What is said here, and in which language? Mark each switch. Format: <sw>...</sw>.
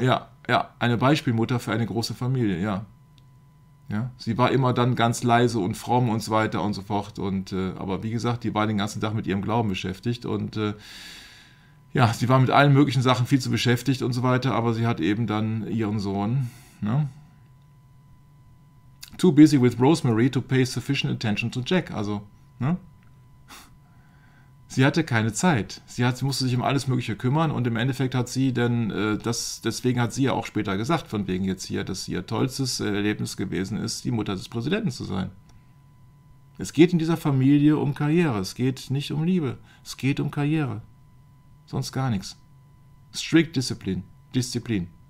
<de>Ja, ja, eine Beispielmutter für eine große Familie, ja. Ja, sie war immer dann ganz leise und fromm und so weiter und so fort. Und aber wie gesagt, die war den ganzen Tag mit ihrem Glauben beschäftigt. Und ja, sie war mit allen möglichen Sachen viel zu beschäftigt und so weiter. Aber sie hat eben dann ihren Sohn. Ne?</de> <en>Too busy with Rosemary to pay sufficient attention to Jack.</en> <de>Also, ne? Sie hatte keine Zeit. Sie musste sich um alles Mögliche kümmern und im Endeffekt hat sie denn, deswegen hat sie ja auch später gesagt, von wegen jetzt hier, dass ihr tollstes Erlebnis gewesen ist, die Mutter des Präsidenten zu sein. Es geht in dieser Familie um Karriere. Es geht nicht um Liebe. Es geht um Karriere. Sonst gar nichts.</de> <en>Strict Discipline.</en> <de>Disziplin.</de>